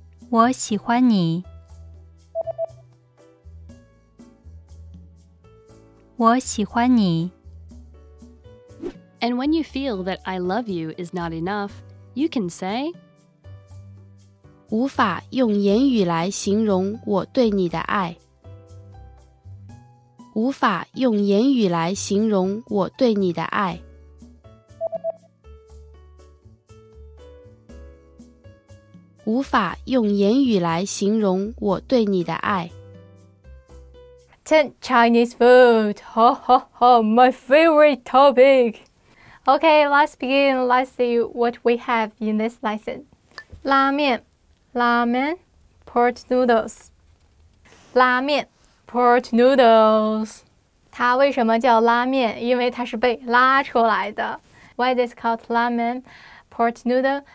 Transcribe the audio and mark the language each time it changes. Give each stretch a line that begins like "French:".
Chinese: 我喜欢你。我喜欢你。
English: And when you feel that I love you is not enough, you can say
Chinese: 无法用言语来形容我对你的爱。无法用言语来形容我对你的爱。无法用言语来形容我对你的爱。
English: 10 Chinese food, ho ho ho, my favorite topic. Okay, let's begin, let's see what we have in this lesson.
Chinese: 拉面拉面
English: port noodles
Chinese: 拉面
English: port noodles
Chinese: 它为什么叫拉面因为它是被拉出来的
English: Why is it called
Chinese: 拉面
English: port noodle?